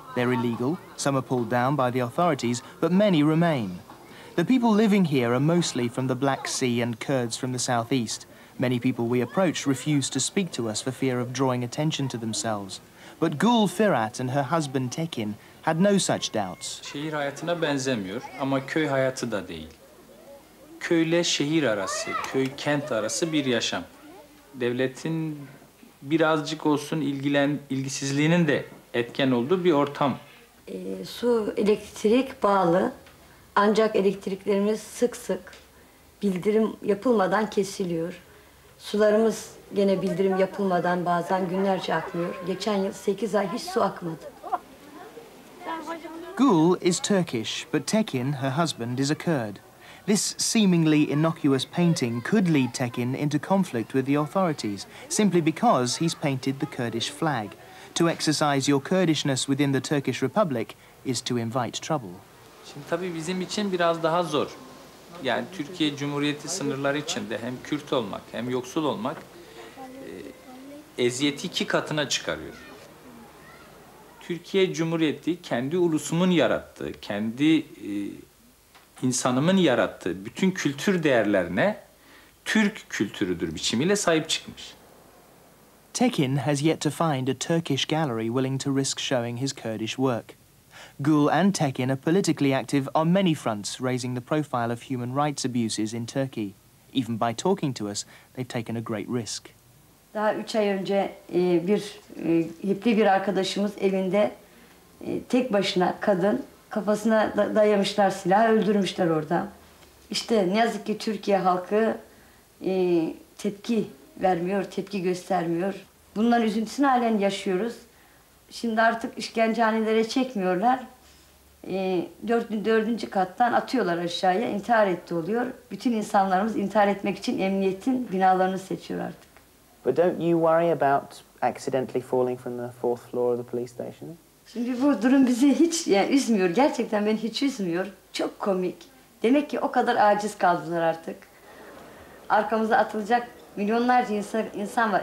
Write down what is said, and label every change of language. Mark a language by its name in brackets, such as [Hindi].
[English] They're illegal, some are pulled down by the authorities, but many remain. The people living here are mostly from the Black Sea and Kurds from the southeast. Many people we approach refuse to speak to us for fear of drawing attention to themselves. But Gul Firat and her husband Tekin had no such doubts. [Turkish] Şehir hayatına benzemiyor ama köy hayatı da değil. Köyle şehir arası, köy kent arası bir yaşam. Devletin birazcık olsun ilgisizliğinin de etken olduğu bir ortam. Su, elektrik bağlı. Ancak elektriklerimiz sık sık bildirim yapılmadan kesiliyor. Sularımız gene bildirim yapılmadan bazen günlerce akmıyor. Geçen yıl 8 ay hiç su akmadı. [English] Gul is Turkish, but Tekin, her husband, is a Kurd. This seemingly innocuous painting could lead Tekin into conflict with the authorities, simply because he's painted the Kurdish flag. To exercise your Kurdishness within the Turkish Republic is to invite trouble. [Turkish] Şimdi tabii bizim için biraz daha zor. Yani Türkiye Cumhuriyeti sınırları içinde hem Kürt olmak hem yoksul olmak eziyeti iki katına çıkarıyor. Türkiye Cumhuriyeti kendi ulusumun yarattığı, kendi insanımın yarattığı bütün kültür değerlerine Türk kültürüdür biçimiyle sahip çıkmış. [English] Tekin has yet to find a Turkish gallery willing to risk showing his Kurdish work. Gul and Tekin are politically active on many fronts, raising the profile of human rights abuses in Turkey. Even by talking to us, they've taken a great risk. [Turkish] Daha üç ay önce bir hipli bir arkadaşımız evinde tek başına kadın kafasına dayamışlar silah öldürmüşler orada. İşte ne yazık ki Türkiye halkı tepki vermiyor, tepki göstermiyor. Bunların üzüntüsünü halen yaşıyoruz. Şimdi artık işkencehanelere çekmiyorlar. Dördüncü kattan atıyorlar aşağıya, intihar etti oluyor. Bütün insanlarımız intihar etmek için emniyetin binalarını seçiyor artık. [English] But don't you worry about accidentally falling from the fourth floor of the police station? [Turkish] Şimdi bu durum bizi hiç yani üzmüyor. Gerçekten beni hiç üzmüyor. Çok komik. Demek ki o kadar aciz kaldılar artık. Arkamıza atılacak milyonlarca insan var.